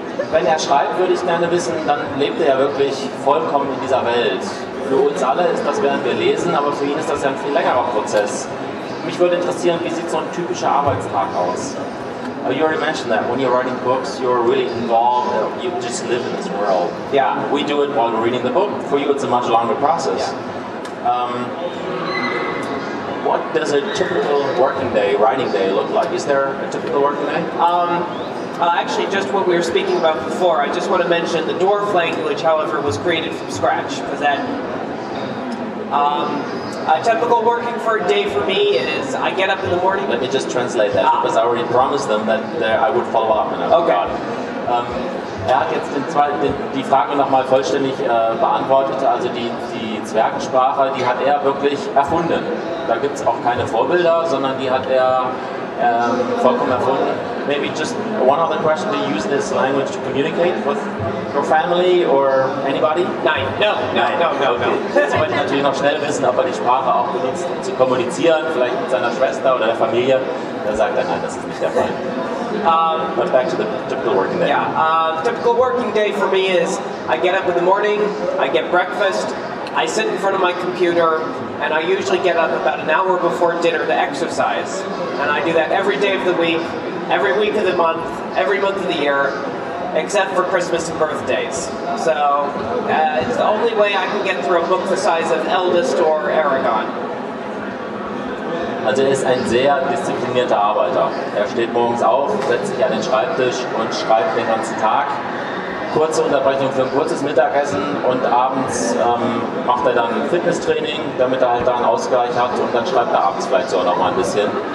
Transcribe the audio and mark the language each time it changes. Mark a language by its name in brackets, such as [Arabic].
[German] Wenn er schreibt, würde ich gerne wissen, dann lebt er ja wirklich vollkommen in dieser Welt. Für uns alle ist das, während wir lesen, aber für ihn ist das ja ein viel längerer Prozess. Mich würde interessieren, wie sieht so ein typischer Arbeitstag aus? [English] You already mentioned that when you're writing books, you're really involved, you just live in this world. Yeah. We do it while we're reading the book. For you, it's a much longer process. Yeah. What does a typical working day, writing day, look like? Is there a typical working day? Actually, just what we were speaking about before, I just want to mention the dwarf language, however, was created from scratch. A typical working for a day for me is I get up in the morning. Let me just translate that, because I already promised them that I would follow up and I forgot. Okay. [German] Er hat jetzt die Frage nochmal vollständig beantwortet, also die Zwergensprache, die hat er wirklich erfunden. Da gibt es auch keine Vorbilder, sondern die hat er vollkommen erfunden. [English] Maybe just one other question, do you use this language to communicate with your family or anybody? [German] Nein. Er wollte natürlich noch schnell wissen, ob er die Sprache auch benutzt, um zu kommunizieren, vielleicht mit seiner Schwester oder der Familie. Da sagt er, nein, das ist nicht der Fall. [English] But back to the typical working day. Yeah, typical working day for me is I get up in the morning, I get breakfast, I sit in front of my computer, and I usually get up about an hour before dinner to exercise. And I do that every day of the week, every week of the month, every month of the year, except for Christmas and birthdays. So it's the only way I can get through a book the size of Eldest or Aragon. [German] Also er ist ein sehr disziplinierter Arbeiter. Er steht morgens auf, setzt sich an den Schreibtisch und schreibt den ganzen Tag. Kurze Unterbrechung für ein kurzes Mittagessen und abends macht er dann Fitnesstraining, damit er halt da einen Ausgleich hat und dann schreibt er abends vielleicht sogar noch mal ein bisschen.